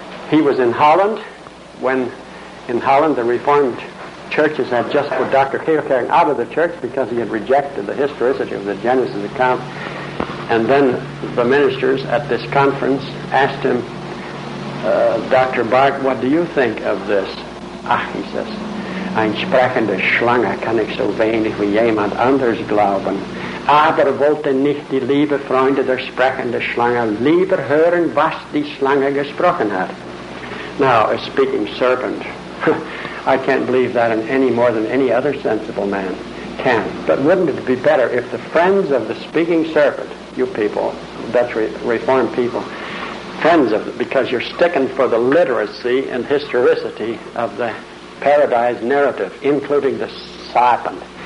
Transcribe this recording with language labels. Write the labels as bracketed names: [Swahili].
[English] He was in Holland when in Holland the Reformed churches had just put Dr. Kierkegaard out of the church because he had rejected the historicity of the Genesis account. And then the ministers at this conference asked him, Dr. Barth, what do you think of this? [German] He says, Ein sprechende Schlange kann ich so wenig wie jemand anders glauben. Aber wollte nicht die liebe Freunde der sprechende Schlange lieber hören, was die Schlange gesprochen hat. [English] Now, a speaking serpent. I can't believe that in any more than any other sensible man can. But wouldn't it be better if the friends of the speaking serpent, you people, Dutch Reformed people, friends of it, because you're sticking for the literacy and historicity of the paradise narrative, including the serpent.